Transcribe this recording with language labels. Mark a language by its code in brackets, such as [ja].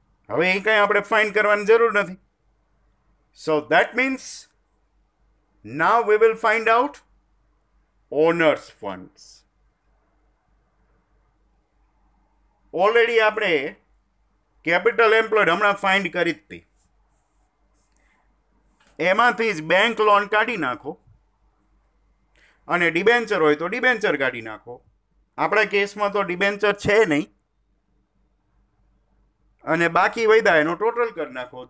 [gu] હવે એ કંઈ આપણે find કરવાની જરૂર નથી. [en] So that means now we will find out owner's funds. [gu] Already આપણે capital employed હમણાં find કરી હતી. એમાંથી જ bank loan કાઢી નાખો અને ડિબેન્ચર હોય તો ડિબેન્ચર કાઢી નાખો. આપણા કેસમાં તો ડિબેન્ચર છે નહીં અને બાકી વધ્યા એનો ટોટલ કરી નાખો.